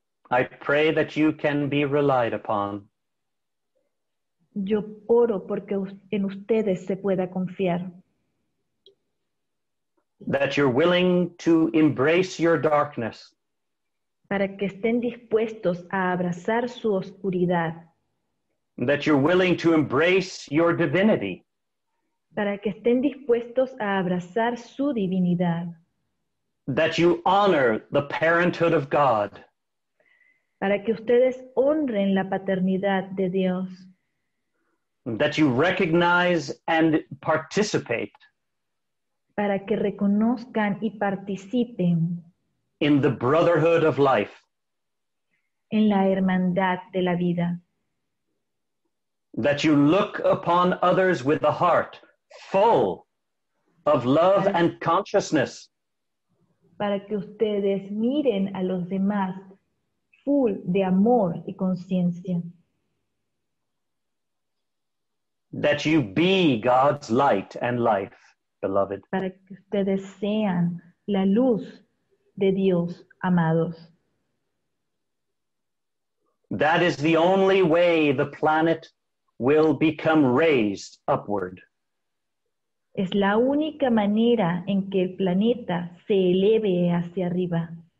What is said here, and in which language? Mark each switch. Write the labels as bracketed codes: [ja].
[en] I pray that you can be relied upon. [es] Yo oro porque en ustedes se pueda confiar. [en] That you're willing to embrace your darkness. [es] Para que estén dispuestos a abrazar su oscuridad. [en] That you're willing to embrace your divinity. [es] Para que estén dispuestos a abrazar su divinidad. [en] That you honor the parenthood of God. [es] Para que ustedes honren la paternidad de Dios. [en] That you recognize and participate. [es] Para que reconozcan y participen. [en] In the brotherhood of life. [es] En la hermandad de la vida. [en] That you look upon others with a heart full of love and consciousness. [es] Para que ustedes miren a los demás [en] full [es] de amor y conciencia. [en] That you be God's light and life, beloved. [es] Para que ustedes sean la luz de Dios, amados. [en] That is the only way the planet will become raised upward. [es] Es la única manera en que el planeta se eleve hacia arriba.